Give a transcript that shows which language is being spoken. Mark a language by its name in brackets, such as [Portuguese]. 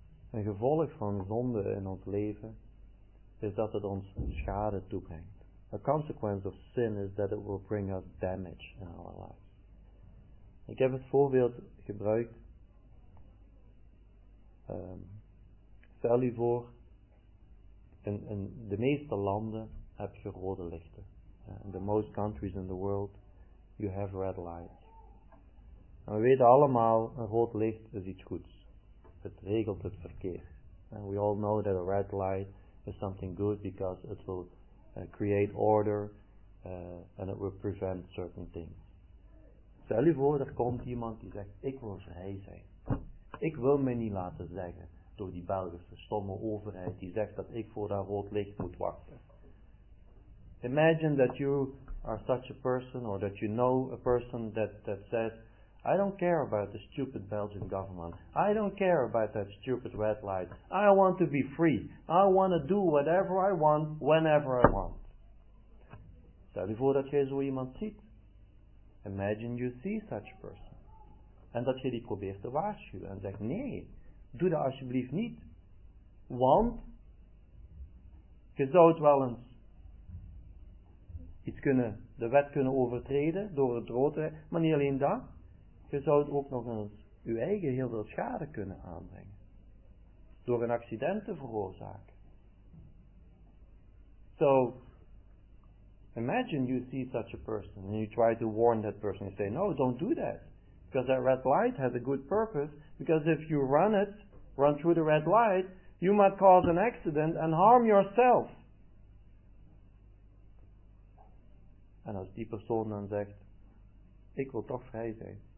[Dutch] Een gevolg van zonde in ons leven is dat het ons schade toebrengt. [English] A consequence of sin is that it will bring us damage in our lives. [Dutch] Ik heb het voorbeeld gebruikt, stel u voor, In de meeste landen heb je rode lichten. [English] In the most countries in the world, you have red lights. [Dutch] En we weten allemaal, een rood licht is iets goeds. Het regelt het verkeer. [English] And we all know that a red light is something good, because it will create order, and it will prevent certain things. [Dutch] Stel je voor, er komt iemand die zegt, ik wil vrij zijn. Ik wil mij niet laten zeggen door die Belgische stomme overheid die zegt dat ik voor dat rood licht moet wachten. [English] Imagine that you are such a person, or that you know a person that says, I don't care about the stupid Belgian government. I don't care about that stupid red light. I want to be free. I want to do whatever I want, whenever I want. [Dutch] Stel je voor dat je zo iemand ziet. [English] Imagine you see such a person. [Dutch] En dat je die probeert te waarschuwen en zegt, nee, doe dat alsjeblieft niet. Want je zou het wel eens iets kunnen, de wet kunnen overtreden door het rood te rijden. Maar niet alleen dat. Je zou het ook nog eens je eigen heel veel schade kunnen aanbrengen. Door een accident te veroorzaken. [English] So, imagine you see such a person and you try to warn that person. You say, no, don't do that. Because that red light has a good purpose. Because if you run through the red light, you might cause an accident and harm yourself. [Dutch] En als die persoon dan zegt, ik wil toch vrij zijn.